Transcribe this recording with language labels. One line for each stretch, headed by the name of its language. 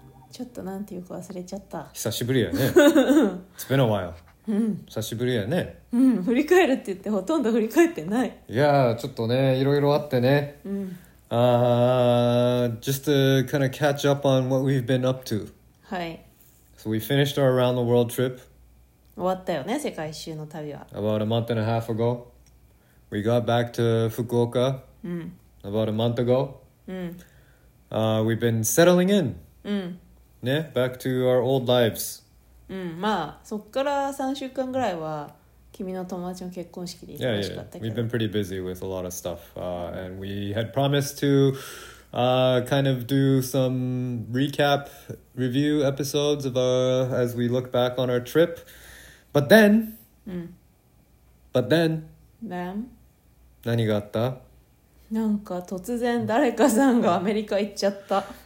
Japanese: ちょっとなんていうか忘れちゃった。久しぶりやね。
English: It's been a while.
Japanese: 久しぶりやね。うん、振り返るって言ってほとんど振り返ってない。いやー、ちょっとね、いろいろあってね。うん。
English: Just to kind of catch up on what we've been up to.
Japanese: はい。
English: So we finished our around the world trip.
Japanese: 終わったよね、世界一周の旅は。
English: About a month and a half ago we got back to Fukuoka、
Japanese: うん、
English: About a month ago、
Japanese: うん、
English: we've been settling in、
Japanese: うん、ね、
English: back to our old lives、
Japanese: うん、まあ、そっから3週間ぐらいは君の友達の結婚式で忙しかったけど、
English: we've been pretty busy with a lot of stuff、and we had promised to、kind of do some recap review episodes of our, as we look back on our tripBut then,、
Japanese: うん、
English: but then, then,
Japanese: 何があった？なんか突然誰かさんがアメリカ行っちゃった。